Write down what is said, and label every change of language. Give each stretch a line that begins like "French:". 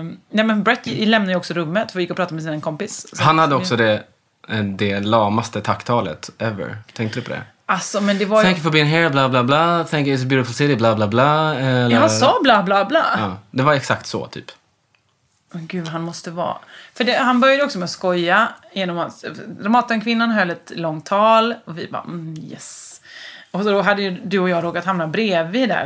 Swedish: Nej men Brett lämnade ju också rummet för att gick och pratade med sin kompis. Han hade också det lamaste tacktalet ever. Tänkte du på det? Alltså, men det var
English: thank you for being here, bla bla bla. Thank you, it's a beautiful city, bla bla bla.
Swedish: Han sa bla bla bla. Ja, det var exakt så typ. Oh, gud, han måste vara. För det, han började också med att skoja genom att dramatenkvinnan höll ett långt tal och vi bara yes. Och så då hade ju du och jag råkat hamna bredvid där.